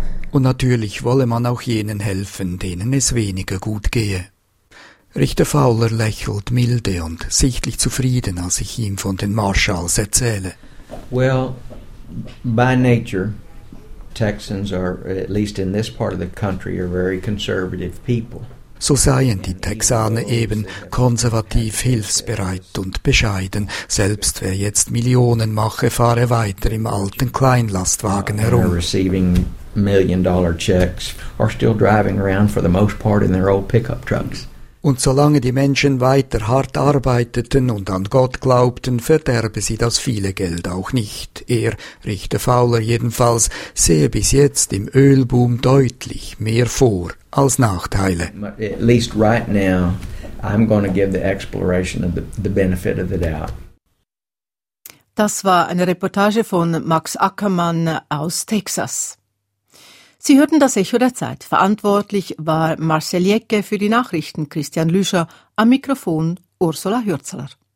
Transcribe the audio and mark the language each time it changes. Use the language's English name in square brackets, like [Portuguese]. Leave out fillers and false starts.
[German] Und natürlich wolle man auch jenen helfen, denen es weniger gut gehe. Richter Fowler lächelt milde und sichtlich zufrieden, als ich ihm von den Marshalls erzähle. [English] Well, by nature, Texans are, at least in this part of the country, are very conservative people. [German] So seien die Texaner eben konservativ, hilfsbereit und bescheiden. Selbst wer jetzt Millionen mache, fahre weiter im alten Kleinlastwagen herum. [English] Receiving million-dollar checks are still driving around for the most part in their old pickup trucks. [German] Und solange die Menschen weiter hart arbeiteten und an Gott glaubten, verderbe sie das viele Geld auch nicht. Er, Richter Fowler jedenfalls, sehe bis jetzt im Ölboom deutlich mehr vor als Nachteile. [English] At least right now, I'm going to give the exploration of the benefit of the doubt. [German] Das war eine Reportage von Max Ackermann aus Texas. Sie hörten das Echo der Zeit. Verantwortlich war Marcel Jecke, für die Nachrichten Christian Lüscher, am Mikrofon Ursula Hürzler.